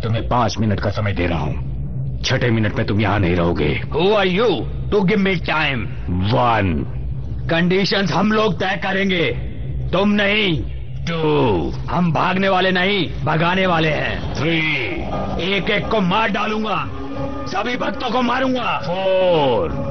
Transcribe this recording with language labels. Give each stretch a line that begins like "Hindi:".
Hindi: पांच मिनट का समय दे रहा हूँ, छठे मिनट में तुम यहाँ नहीं रहोगे।
English: Who are you to give me time? One.
Hindi: Conditions हम लोग तय करेंगे, तुम नहीं।
English: Two.
Hindi: हम भागने वाले नहीं, भगाने वाले हैं।
English: Three.
Hindi: एक एक को मार डालूंगा, सभी भक्तों को मारूंगा।
English: Four.